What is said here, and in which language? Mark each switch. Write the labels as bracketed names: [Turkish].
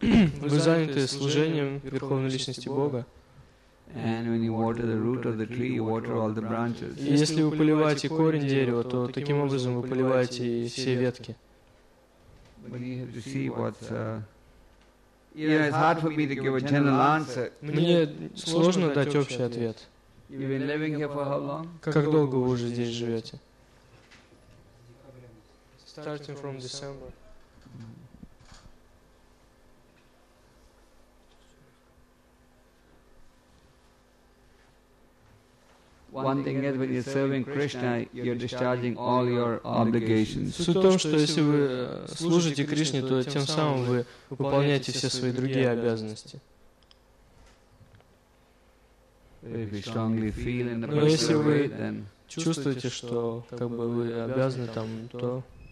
[Russian] Вы заняты служением Верховной Личности Бога. [English] And when you water the root of the tree, you water all the branches. [Russian] Если вы поливаете корень дерева, то таким образом вы поливаете и все ветки. [English] But you have to see what's... You know, it's hard for me to give a general answer. [Russian] Мне сложно дать общий ответ. [English] You've been living here for how long? [Russian] Как долго вы уже здесь живете? [English] Starting from December. One thing is, when you're serving Krishna, you're discharging all your obligations. [Russian] Суть в том, что если вы служите Кришне, то тем самым вы выполняете все свои другие обязанности. [English] If you strongly feel in the [Russian] Но если вы чувствуете, что как бы вы обязаны там, то...